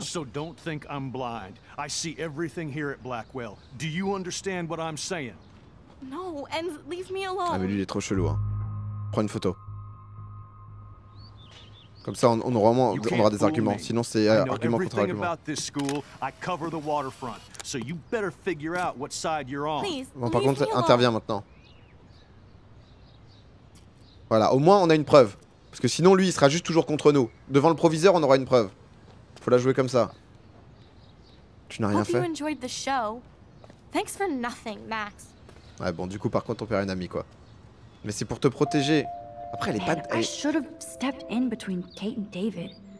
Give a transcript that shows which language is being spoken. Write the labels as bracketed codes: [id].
[en] So don't think I'm blind. I see everything here at Blackwell. Do you understand what I'm saying? No, and leave me alone. [fr] Ah, mais lui, il est trop chelou, hein. Prends une photo. Comme ça, on aura au moins on aura des arguments. Sinon, c'est argument contre argument. [en] About this school, I cover the waterfront. So you better figure out what side you're on. Please, [fr] bon, par contre, interviens maintenant. Voilà, au moins, on a une preuve. Parce que sinon, lui, il sera juste toujours contre nous. Devant le proviseur, on aura une preuve. Faut la jouer comme ça. Tu n'as rien fait. [en] Hope you enjoyed the show. Thanks for nothing, Max. [fr] Ouais, bon, du coup, par contre, on perd une amie, quoi. Mais c'est pour te protéger. Après, elle est pas... [en] I should have stepped in between Kate and David.